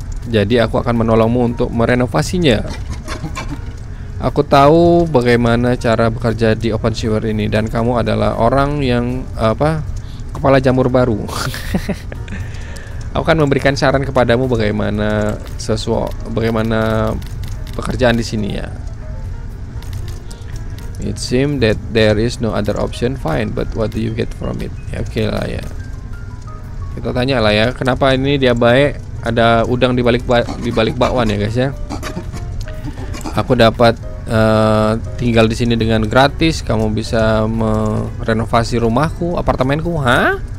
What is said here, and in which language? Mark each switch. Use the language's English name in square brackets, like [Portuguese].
[Indonesian] Jadi aku akan menolongmu untuk merenovasinya. Aku tahu bagaimana cara bekerja di Open Sewer ini dan kamu adalah orang yang apa? Kepala jamur baru. Aku akan memberikan saran kepadamu bagaimana bagaimana pekerjaan di sini ya. [English] It seems that there is no other option. Fine, but what do you get from it? [Indonesian] Ya, oke lah ya. Kita tanya lah ya, kenapa ini dia baik? Ada udang di balik bakwan ya, guys ya. Aku dapat tinggal di sini dengan gratis. Kamu bisa merenovasi rumahku, apartemenku, ha?